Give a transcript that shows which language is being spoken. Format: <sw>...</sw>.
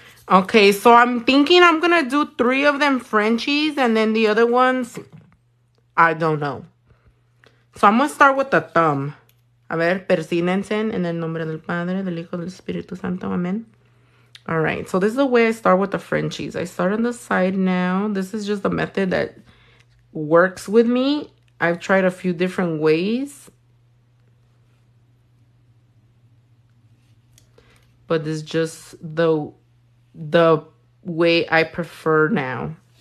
<en>Okay, so I'm thinking I'm going to do three of them Frenchies, and then the other ones, I don't know. So I'm going to start with the thumb.</en> <es>A ver, persínense en el nombre del Padre, del Hijo, del Espíritu Santo. Amen.</es> <en>All right, so this is the way I start with the Frenchies. I start on the side now. This is just a method that works with me. I've tried a few different ways, but it's just the way I prefer now.</en>